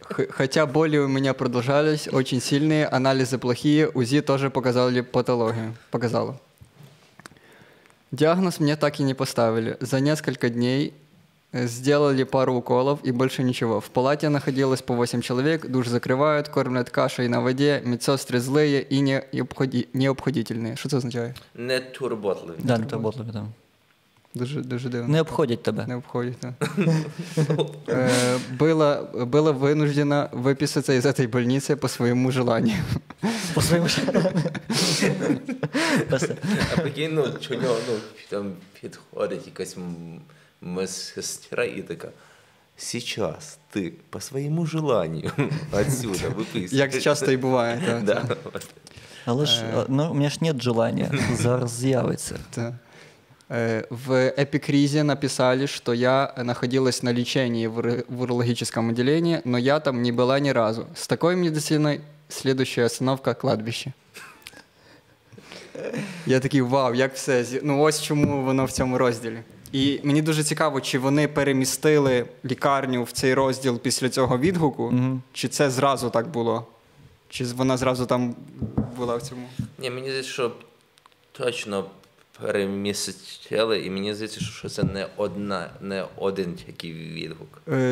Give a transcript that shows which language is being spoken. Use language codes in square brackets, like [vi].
[uk] Хоча болі у мене продовжались, очень сильні, аналізи плохі, УЗІ теж показали патологію. Показало. Діагноз мені так і не поставили. [ru] За несколько дней сделали пару уколов и больше ничего. В палате находилось по 8 человек, душ закрывают, кормят кашей на воде, медсестры злые и необходительные. Что это означает? [uk] Не турботливые. Да, не турботливые, да. Дуже, дуже дивно. Не обходять тебе. Не обходять, так. Була вынуждена виписатися із цієї больниці по своєму желанню. По своєму желанню. А прикинь, ну, що у нього, ну, там підходить якась медсестра і така, «Сейчас ти по своєму желанню відсюди виписуєш». Як часто і буває. Да, да. Але ж, ну, у мене ж нет желання, зараз з'явиться. Да. В епікризі написали, що я знаходилась на ліченні в урологічному відділенні, але я там не була ні разу. З такою медициною [ru] следующая остановка – кладбище. [uk] Я такий, вау, як все, ну ось чому воно в цьому розділі. І мені дуже цікаво, чи вони перемістили лікарню в цей розділ після цього відгуку, чи це зразу так було? Чи вона зразу там була в цьому? Ні, мені здається, що точно перемістили, і мені здається, що це не один такий відгук.